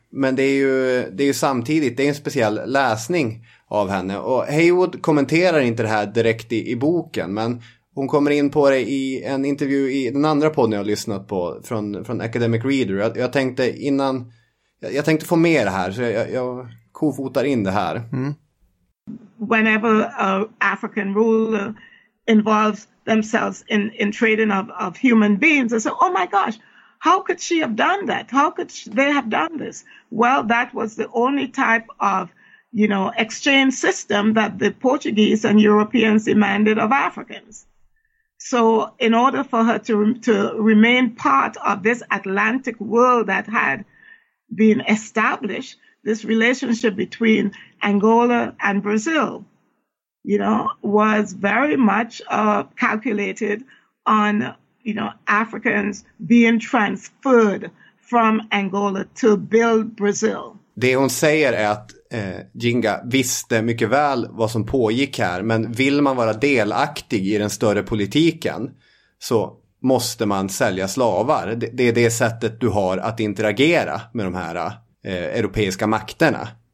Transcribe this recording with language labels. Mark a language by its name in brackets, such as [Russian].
[Swedish] Men det är ju samtidigt, det är en speciell läsning av henne. Och Heywood kommenterar inte det här direkt i boken, men hon kommer in på det i en intervju i den andra podden jag har lyssnat på från Academic Reader. Jag tänkte innan, jag tänkte få med det här, så jag kofotar in det här. Mm. [English] Whenever a African ruler involves themselves in trading of human beings, they say, oh my gosh, how could she have done that? How could they have done this? Well, that was the only type of, you know, exchange system that the Portuguese and Europeans demanded of Africans. So in order for her to remain part of this Atlantic world that had been established, this relationship between Angola and Brazil, you know, was very much calculated on, you know, Africans being transferred from Angola to build Brazil. [Swedish] Det hon säger är att Jinga visste mycket väl vad som pågick här, men vill man vara delaktig i den större politiken så måste man sälja slavar. Det är det sättet du har att interagera med de här europeiska makterna.